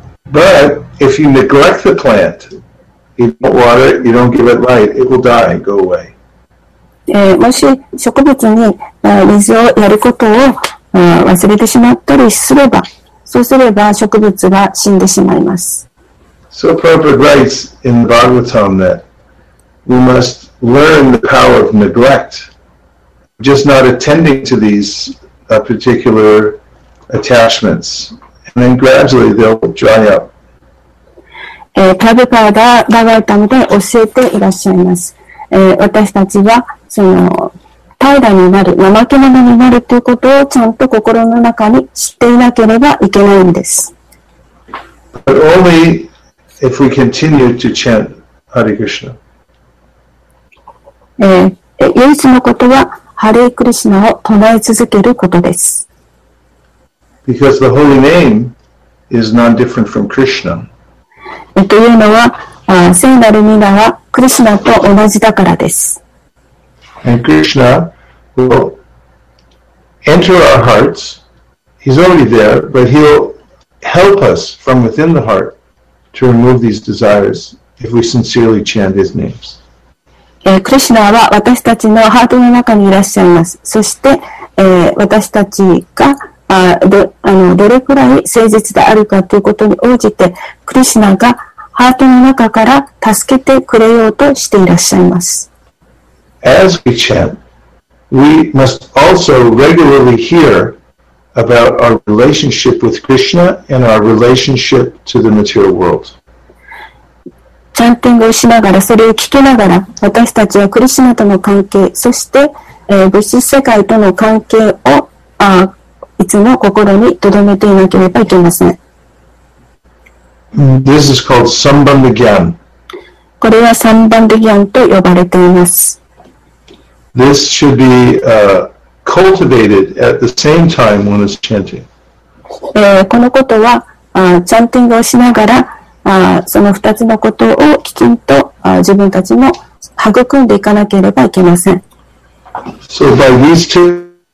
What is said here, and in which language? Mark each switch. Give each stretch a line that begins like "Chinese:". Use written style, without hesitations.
English: But if you neglect the plant, you don't water it, you don't give it light, it will die and go away.
Japanese: もし植物に水をやることを忘れてしまったりすれば、そうすれば植物は死んでしまいます。
English: So Prabhupada writes in the Bhagavatam that we must learn the power of neglect, just not attending to these particular attachments, and then gradually they'll dry up.
Japanese: Prabhupada がバガヴァタムで教えていらっしゃいます。私たちはその怠惰になる、怠け者になるということをちゃんと心の中に知っていなければいけないんです。
English: But only if we continue to chant Hare Krishna.
Japanese: 唯一のことは、ハレクリシナを唱え続けることです。
English: Because the holy name is none different from Krishna.
Japanese: というのは、聖なる名はクリシナと同じだからです。
English: And Krishna will enter our hearts. He's already there, but he'll help us from within the heart to remove these desires if we sincerely chant his names.
Japanese: Krishna は私たちのハートの中にいらっしゃいます。そして、私たちがどれくらい誠実であるかということに応じて、Krishna がハートの中から助けてくれようとしていらっしゃいます。
English: As we chant, we must also regularly hear about our relationship with Krishna and our relationship to the material world.
Japanese: チャンティングをしながら、それを聞きながら、私たちはクリシュナとの関係、そして、物質世界との関係を、いつも心に留めていなければいけません。
English: This is called Sambandha Gyan.
Japanese: これはサンバンダギャンと呼ばれています。
English: This should be, cultivated at the same time when it's chanting.
Japanese: このことは、チャンティングをしながら、その二つのことをきちんと自分たちも育んでいかなければいけません。
English: So by these two...